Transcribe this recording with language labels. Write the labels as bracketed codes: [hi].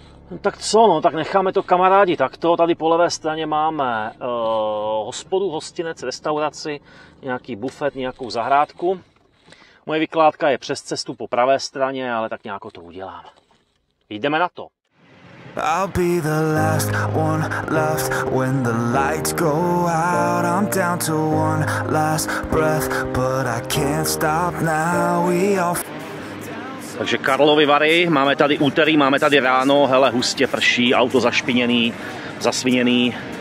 [cs] No, tak co, no, tak necháme to kamarádi, tak to tady po levé straně máme hospodu, hostinec, restauraci, nějaký bufet, nějakou zahrádku. Moje vykládka je přes cestu po pravé straně, ale tak nějak to udělám. Jdeme na to. [en] I'll be the last one left when the lights go out. I'm down to one last breath, but I can't stop now. [cs] Takže Karlovy Vary, máme tady úterý, máme tady ráno, hele, hustě prší, auto zašpiněný, zasviněný.